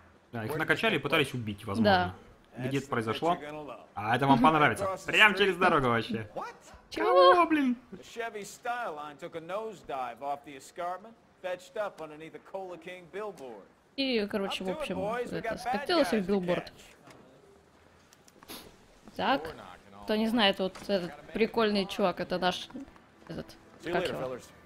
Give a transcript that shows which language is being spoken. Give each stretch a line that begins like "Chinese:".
Russian: Да, их накачали и пытались убить, возможно. Да. Где это произошло? А это вам понравится. Прям через дорогу вообще. Чего, блин?
English: Chevy Styline took a nosedive off the escarpment, fetched up underneath the Cola King billboard.
Russian: И, короче, в общем, это скатилось в билборд. Так, кто не знает, вот этот прикольный чувак, это наш, этот, как его?